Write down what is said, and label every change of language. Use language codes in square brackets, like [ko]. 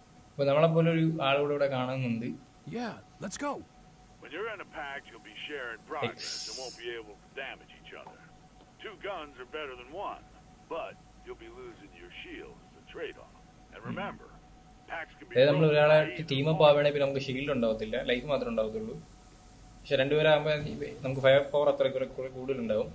[ml] ഇപ്പോ നമ്മളെ പോലെ ഒരു ആളോട് ഇവിടെ കാണുന്നുണ്ട്. [en] Yeah, let's go. When you're in a pack, you'll be sharing progress and won't be able to damage each other. Two guns are better than one, but you'll be losing your shield as a trade-off. [ml] നമ്മൾ ഒരാളെ team up ആവുകയാണെങ്കിൽ നമുക്ക് shield ഉണ്ടാവത്തില്ല, life മാത്രമേ ഉണ്ടാവത്തുള്ളൂ. പക്ഷെ രണ്ടുപേരാകുമ്പോൾ നമുക്ക് fire power അത്രക്കുറെ കൂടുതലുണ്ടാവും.